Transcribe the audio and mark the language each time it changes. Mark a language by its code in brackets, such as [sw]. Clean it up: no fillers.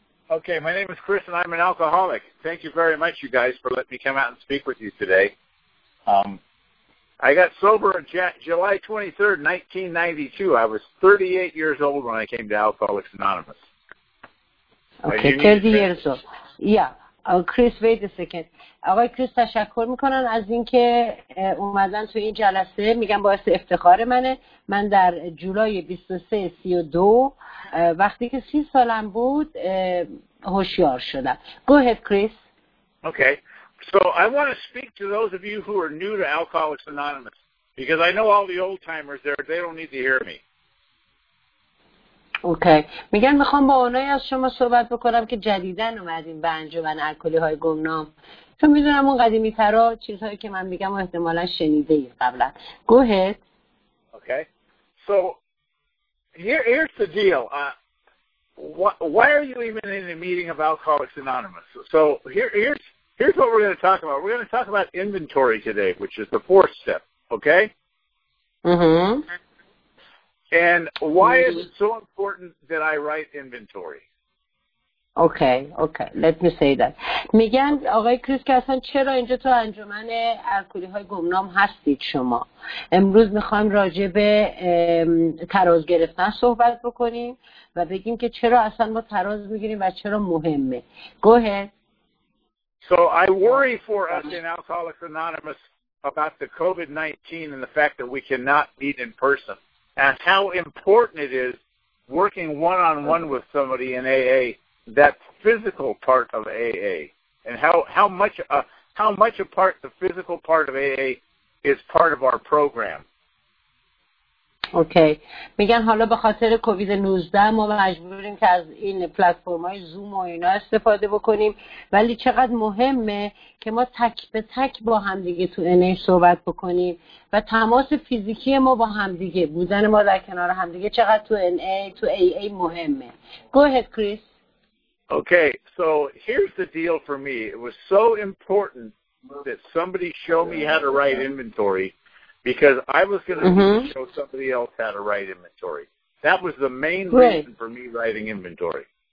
[en] Okay, my name is Chris, and I'm an alcoholic. Thank you very much, you guys, for letting me come out and speak with you today. I got sober on July 23rd, 1992. I was 38 years old when I came to Alcoholics Anonymous. Okay, 30 years old. Yeah. [fa] کریس وید سکند آقای کریس تشکر میکنن از اینکه اومدن تو این جلسه. میگم باعث افتخار منه. من در جولای 23-32 وقتی که 30 سالم بود هوشیار شدم. [en] Go ahead, Chris. Okay. So I want to speak to those of you who are new to Alcoholics Anonymous because I know all the old timers there, they don't need to hear me. Okay. [fa] میگن میخوام با اونایی از شما صحبت بکنم که جدیدن اومدیم به انجمن الکلی‌های گمنام. تو میدونم اون قدیمی ترا چیزهایی که من میگم احتمالا شنیده ای قبلا. [en] Go ahead. Okay. So, here's the deal. Why are you even in a meeting of Alcoholics Anonymous? So, here's what we're going to talk about. We're going to talk about inventory today, which is the fourth step. Okay? Mm-hmm. And why is it so important that I write inventory? Okay, let me say that. [fa] میگن آقای کریس که اصلا چرا اینجا تو انجمن الکلی های گمنام هستید شما؟ امروز میخوایم راجع به تراز گرفتن صحبت بکنیم و بگیم که چرا اصلا ما تراز میگیریم و چرا مهمه. [en] Go ahead. So I worry for us in Alcoholics Anonymous about the COVID-19 and the fact that we cannot meet in person. And how important it is working one-on-one with somebody in AA, that physical part of AA, and how much a part, the physical part of AA is part of our program. Okay okay. [fa] میگن حالا به خاطر کووید 19 ما مجبوریم که از این پلتفرم‌های زوم و اینا استفاده بکنیم، ولی چقدر مهمه که ما تک به تک با همدیگه تو ان ای صحبت بکنیم و تماس فیزیکی ما با همدیگه، بودن ما در کنار همدیگه چقدر تو ان ای تو ای ای مهمه. [en] Go ahead, Chris. Okay, so here's the deal for me. It was so important that somebody show me how to write inventory. Because I was going to show somebody else how to write inventory. That was the main reason for me writing inventory.